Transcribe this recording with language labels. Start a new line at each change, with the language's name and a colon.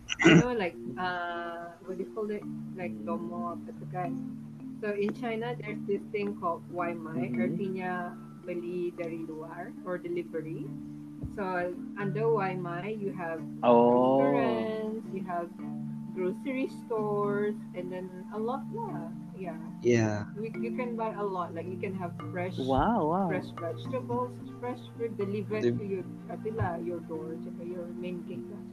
English: You know, like, what do you call it? Like, domo, petugas. So in China, there's this thing called Waimai.
Malay: Artinya beli dari luar
English: or delivery. So under Waimai, you have restaurants, you have grocery stores, and then a lot more. You can buy a lot. Like you can have fresh, fresh vegetables, fresh fruit delivered to your door, your main gate.